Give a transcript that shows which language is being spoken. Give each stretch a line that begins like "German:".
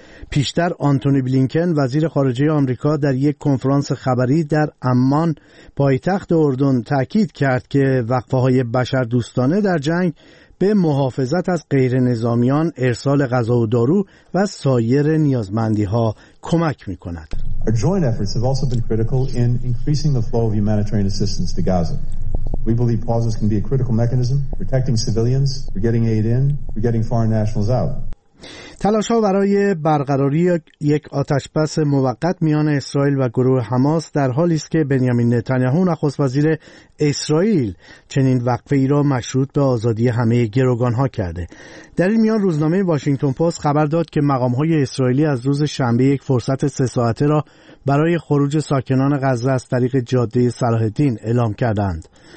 Persian: پیشتر آنتونی بلینکن وزیر خارجه آمریکا در یک کنفرانس خبری در عمان پایتخت اردن تاکید کرد که وقفه‌های بشر دوستانه در جنگ به محافظت از غیر نظامیان، ارسال غذا و دارو و سایر نیازمندی‌ها کمک می‌کند.
English: Our joint efforts have also been critical in increasing the flow of humanitarian assistance to Gaza. We believe pauses can be a critical mechanism for protecting civilians, for getting aid in, for getting foreign nationals out.
Persian: تلاش‌ها برای برقراری یک آتش‌بس موقت میان اسرائیل و گروه حماس در حالی است که بنیامین نتانیاهو نخست وزیر اسرائیل چنین وقفه‌ای را مشروط به آزادی همه گروگان‌ها کرده. در این میان روزنامه واشنگتن پست خبر داد که مقام‌های اسرائیلی از روز شنبه یک فرصت 3 ساعته را برای خروج ساکنان غزه از طریق جاده صلاح الدین اعلام کردند.